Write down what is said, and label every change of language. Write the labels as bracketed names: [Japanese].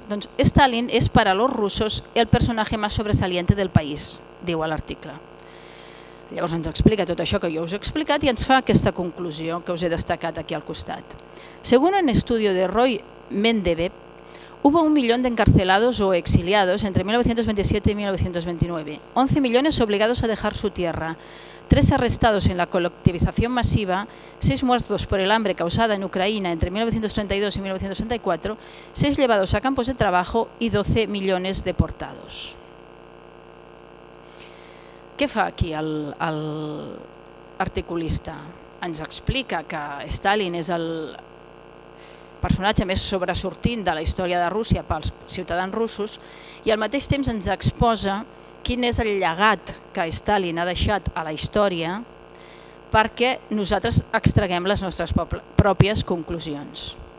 [Catalan] Doncs Stalin és per a los russos el personatge més sobresaliente del país, diu a l'article. Llavors ens explica tot això que jo us he explicat i ens fa aquesta conclusió que us he destacat aquí al costat. [Spanish] Según un estudio de Roy Mendebev, hubo 1 millón de encarcelados o exiliados entre 1927 y 1929, 11 millones obligados a dejar su tierra, 3 arrestados en la colectivización masiva, 6 muertos por el hambre causada en Ucrania entre 1932 y 1934, 6 llevados a campos de trabajo y 12 millones deportados. [Catalan] Què fa aquí l'articulista? Ens explica que Stalin és el personatge més sobresortint de la història de Rússia pels ciutadans russos i al mateix temps ens exposa quin és el llegat que Stalin ha deixat a la història perquè nosaltres extraguem les nostres pròpies conclusions.